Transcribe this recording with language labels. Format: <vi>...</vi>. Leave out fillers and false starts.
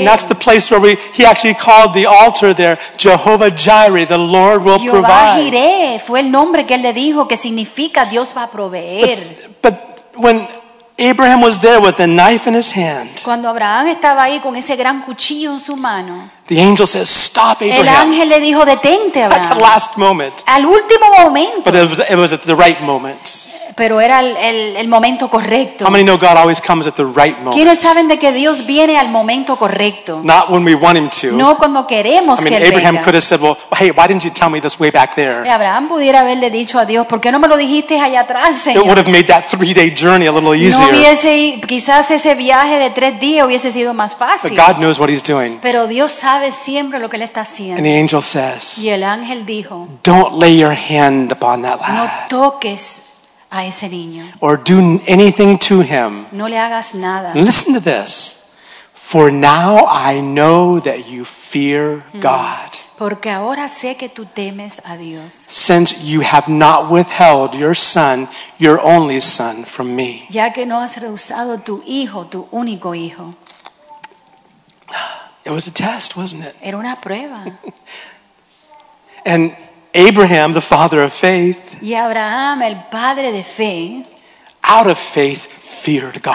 <en>And that's the place where he actually called the altar there, Jehovah Jireh, the Lord will</en> <es>Jehovah</es> <en>provide.</en> <es>Jehovah Jireh fue el nombre que él le dijo, que significa Dios va a proveer.</es> <en>But when Abraham was there with the knife in his hand,</en> <es>cuando Abraham estaba ahí con ese gran cuchillo en su mano,</es> <en>the angel says, "Stop, Abraham."</en> <es>El ángel le dijo, "Detente, Abraham."</es> <en>At the last moment.</en> <es>Al último momento.</es> <en>But it was at the right moment.</en> <es>Pero era el momento correcto.</es> <en>How many know God always comes at the right moment?</en> <es>¿Quiénes saben de que Dios viene al momento correcto?</es> <en>Not when we want him to.</en> <es>No cuando queremos</es> <en>I mean,</en> <es>que él</es> <en>Abraham</en> <es>venga.</es> <en>Could have said, "Well, hey, why didn't you tell me this way back there?"</en> <es>Abraham pudiera haberle dicho a Dios, "¿Por qué no me lo dijiste allá atrás, Señor?"</es> <en>It would have made that 3 day journey a little easier.</en> <es>No hubiese, quizás ese viaje de 3 días hubiese sido más fácil.</es> <en>But God knows what he's doing.</en> <es>Pero Dios sabe siempre lo que él está haciendo.</es> <en>And the angel says,</en> <es>y el ángel dijo,</es> <en>"Don't lay your hand upon that lad."</en> <es>No toques a ese niño.</es> <en>Or do anything to him.</en> <es>No le hagas nada.</es> <en>Listen to this. For now I know that you fear God.</en> <es>Porque ahora sé que tú temes a Dios.</es> <en>Since you have not withheld your son, your only son, from me.</en> <es>Ya que no has rehusado tu hijo, tu único hijo.</es> <en>It was a test, wasn't it?</en> <es>Era una prueba.</es> <en>And Abraham, the father of faith,</en> <es>y Abraham, el padre de fe,</es> <en>out of faith feared God.</en>